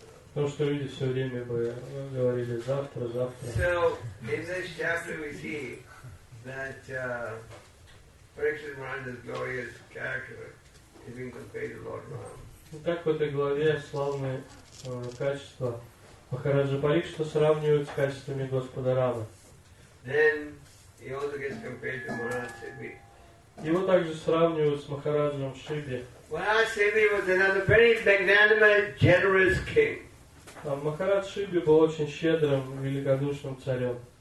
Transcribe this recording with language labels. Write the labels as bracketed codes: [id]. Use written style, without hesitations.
[ru] Потому что люди все время бы говорили завтра, завтра. [en] So, in this chapter we see that Parikshit Maharaj's glorious character is being compared to Lord Ram. [ru] Так в этой главе славные качества Махараджа Парикшита сравнивают с качествами Господа Рамы. [en] Then he also gets compared to Maharaj Sibi. [ru] Его также сравнивают с Махараджем Шиби. [en] Maharaj Sibi was another very magnanimous, generous king. [ru] Махарадж Шиби был очень щедрым, великодушным царем.